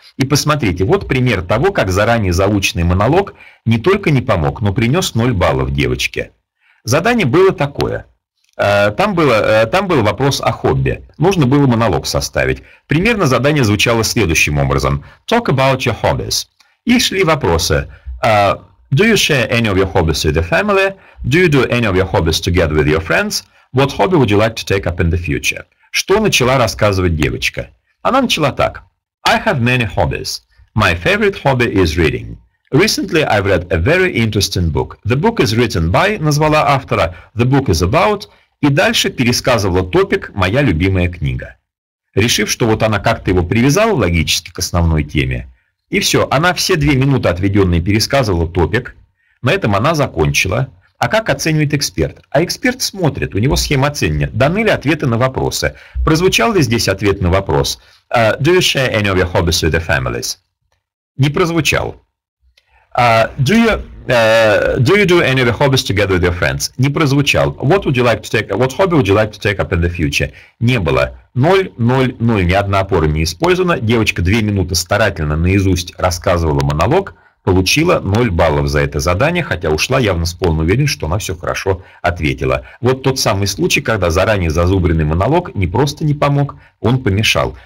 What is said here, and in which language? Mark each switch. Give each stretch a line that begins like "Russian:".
Russian: И посмотрите, вот пример того, как заранее заученный монолог не только не помог, но принес 0 баллов девочке. Задание было такое. Там был вопрос о хобби. Нужно было монолог составить. Примерно задание звучало следующим образом.
English: Talk about your hobbies.
Russian: И шли вопросы.
English: Do you share any of your hobbies with your family? Do you do any of your hobbies together with your friends? What hobby would you like to take up in the future?
Russian: Что начала рассказывать девочка? Она начала так.
English: I have many hobbies. My favorite hobby is reading. Recently I've read a very interesting book. The book is written by,
Russian: назвала автора,
English: the book is about,
Russian: и дальше пересказывала топик «Моя любимая книга». Решив, что вот она как-то его привязала логически к основной теме, и все, она все 2 минуты отведенные пересказывала топик, на этом она закончила. А как оценивает эксперт? А эксперт смотрит, у него схема оценивания. Даны ли ответы на вопросы? Прозвучал ли здесь ответ на вопрос?
English: Do you share any of your hobbies with the families?
Russian: Не прозвучал.
English: Do you do any of your hobbies together with your friends?
Russian: Не прозвучал.
English: What hobby would you like to take up in the future?
Russian: Не было. 0, 0, 0. Ни одна опора не использована. Девочка 2 минуты старательно наизусть рассказывала монолог, получила 0 баллов за это задание, хотя ушла явно с полной уверенностью, что она все хорошо ответила. Вот тот самый случай, когда заранее зазубренный монолог не просто не помог, он помешал.